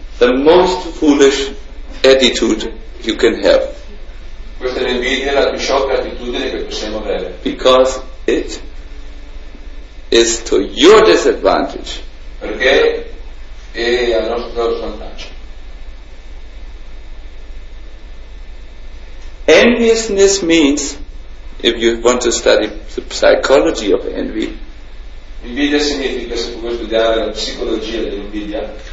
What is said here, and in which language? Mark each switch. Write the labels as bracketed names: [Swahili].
[English] the most foolish attitude you can have. [Italian] Questa invidia è la più sciocca attitudine che possiamo avere. [English] Because it is to your disadvantage. [Italian] Perché è al nostro svantaggio. [English] Enviousness means, if you want to study the psychology of envy, [Italian] invidia significa, se vuoi studiare la psicologia dell'invidia,